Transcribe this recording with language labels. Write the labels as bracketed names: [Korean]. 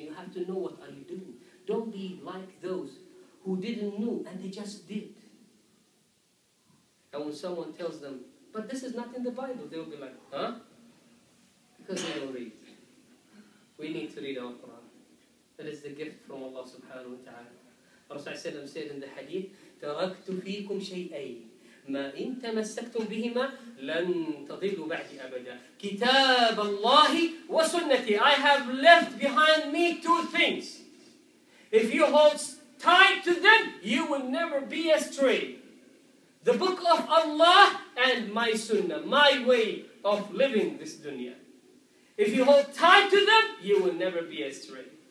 [English] You have to know what are you doing. Don't be like those who didn't know and they just did. And when someone tells them, but this is not in the Bible, they'll be like, huh? Because they don't read. We need to read our Quran. That is the gift from Allah subhanahu wa ta'ala. Rasulullah said in the hadith, [Arabic] تَرَكْتُ فِيكُمْ شَيْئَيْ مَا إِن تَمَسَّكْتُمْ بِهِمَا لَن تَضِلُّ بَعْدِ أَبَدًا كِتَابَ اللَّهِ وَسُنَّتِي. [English] I have left behind me two things. If you hold tight to them, you will never be astray. The book of Allah and my sunnah, my way of living this dunya. If you hold tight to them, you will never be astray.